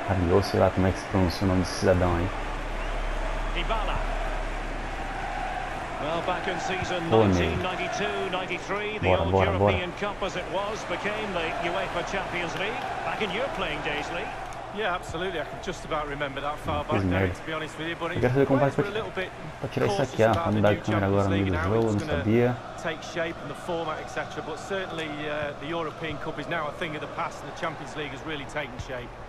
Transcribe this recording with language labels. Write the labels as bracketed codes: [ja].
[pt] Ou sei lá como é que se pronuncia o nome desse cidadão aí. Ibala. [en] Well, back in season 1992-93, the old European Cup as it was became the UEFA Champions League. Back in your playing days, Lee. Yeah, absolutely. I can just about remember that far back there, to be honest with you, buddy. [pt] Eu quero saber como vai pra tirar isso aqui, ó. Vamos dar a câmera agora no meio do jogo, não sabia. [en] Take shape and the format, etc. But certainly the European Cup is now a thing of the past and the Champions League has really taken shape.